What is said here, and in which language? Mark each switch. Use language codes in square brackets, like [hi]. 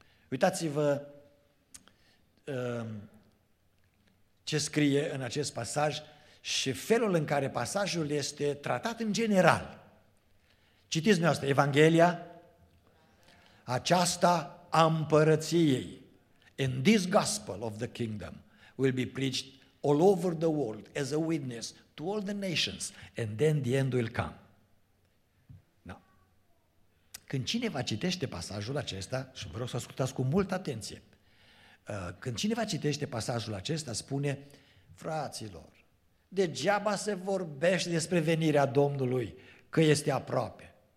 [ro] Uitați-vă ce scrie în acest pasaj și felul în care pasajul este tratat în general. Citiți dumneavoastră Evanghelia, aceasta a împărăției. [en] And this gospel of the kingdom will be preached all over the world as a witness to all the nations, and then the end will come. [ro] Da. Când cineva citește pasajul acesta, și vă rog să ascultați cu multă atenție, când cineva citește pasajul acesta, spune, fraților, degeaba se vorbește despre venirea Domnului, că este aproape.